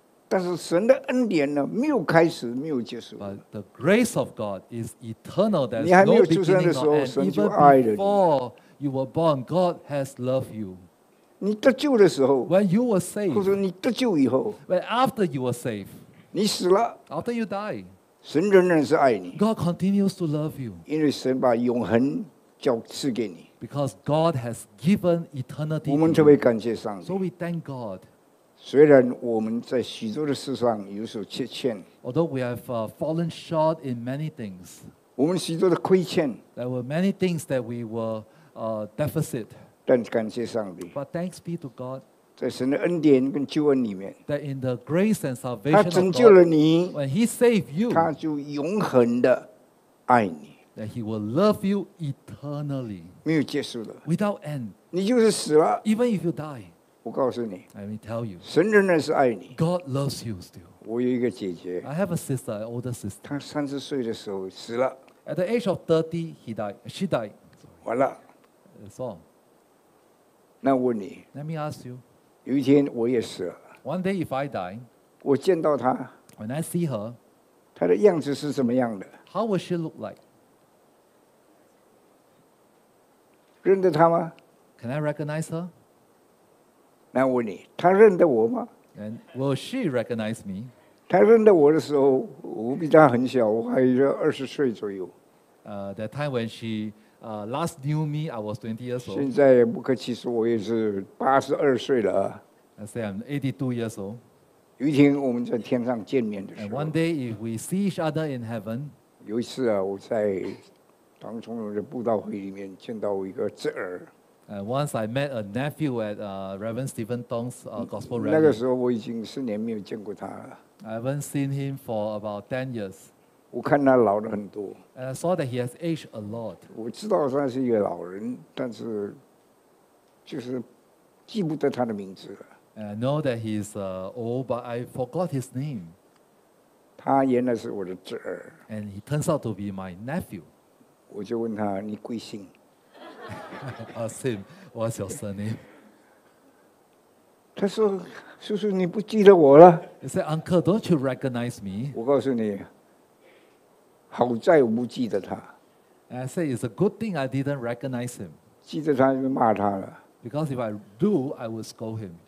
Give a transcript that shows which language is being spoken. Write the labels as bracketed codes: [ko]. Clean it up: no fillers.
[zh] 但是神的恩典呢，没有开始，没有结束 [en] But the grace of God is eternal. There's [zh] 你还没有出生的时候，神就爱了你 [en] Even before you were born, God has loved you. [zh] 你得救的时候 [en] when you were saved, [zh] 或者你得救以后 [en] when after you were saved, [zh] 你死了 [en] after you die, [zh] 神仍然是爱你 [en] God continues to love you, [zh] 因为神把永恒交赐给你 [en] because God has given eternity, [zh] 我们特别感谢上帝 [en] so we thank God, [zh] 虽然我们在许多的事上有所缺欠 [en] although we have fallen short in many things, [zh] 我们许多的亏欠 [en] there were many things that we were deficit, [zh] 但感谢上帝 [en] But thanks be to God, [zh] 在神的恩典跟救恩里面 [en] that in the grace and salvation [zh] 他拯救了你 [en] God, when he saved you, [zh] 他就永恒地爱你 [en] that he will love you eternally, [zh] 没有结束的 [en] without end, [zh] 你就是死了 [en] even if you die, [zh] 我告诉你 [en] let me tell you, [zh] 神仍然是爱你 [en] God loves you still, [zh] 我有一个姐姐 [en] I have a sister, an older sister, [zh] 她三十岁的时候死了 [en] at the age of 30, he died, she died, [zh] 完了 [en] that's all. [zh] 那问你 [en] Let me ask you, [zh] 有一天我也死了 [en] One day if I die [zh] 我见到她 [en] When I see her [zh] 她的样子是怎么样的 [en] How will she look like? [zh] 认得她吗 [en] Can I recognize her? [zh] 那问你她认得我吗 [en] And will she recognize me? [zh] 她认得我的时候，我比她很小，我还有二十岁左右。 [en] That time when she last knew me, I was 20 years old. [zh] 现在不客气说，我也是八十二岁了。 [en] I say I'm 82 years old. [zh] 有一天我们在天上见面的时候。 [en] And one day if we see each other in heaven. [zh] 有一次啊，我在唐崇荣的布道会里面见到一个侄儿。 [en] And once I met a nephew at Reverend Stephen Tong's gospel rally. [zh] 那个时候我已经四年没有见过他了。 [en] I haven't seen him for about 10 years. [zh] 我看他老了很多。 [en] And I saw that he has aged a lot. [zh] 我知道他是一个老人，但是就是记不得他的名字了。 [en] And I know that he's old, but I forgot his name. [zh] 他原来是我的侄儿。 [en] And he turns out to be my nephew. [zh] 我就问他，你贵姓？ [en] Ask him, what's your surname? [zh] 他说，叔叔，你不记得我了。 [en] He said, Uncle, don't you recognize me? [zh] 我告诉你，好在我不记得他。 [en] And I said, it's a good thing I didn't recognize him. [zh] 记得他就骂他了。 [en] Because if I do, I would scold him.